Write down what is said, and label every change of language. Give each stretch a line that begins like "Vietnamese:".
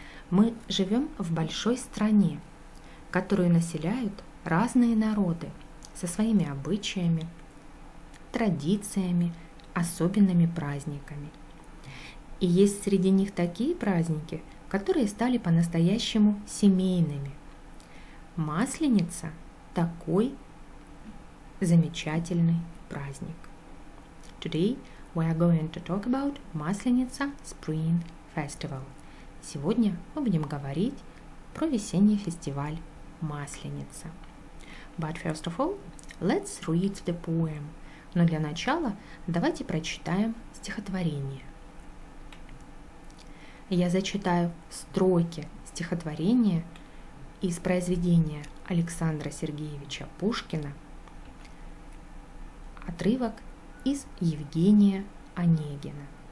Russian: Мы живем в большой стране, которую населяют разные народы со своими обычаями, традициями, особенными праздниками. И есть среди них такие праздники, которые стали по-настоящему семейными. Масленица – такой замечательный праздник.
English: Today we are going to talk about Масленица Spring Festival.
Russian: Сегодня мы будем говорить про весенний фестиваль Масленица.
English: But first of all, let's read the poem.
Russian: Но для начала давайте прочитаем стихотворение. Я зачитаю строки стихотворения из произведения Александра Сергеевича Пушкина, отрывок из Евгения Онегина.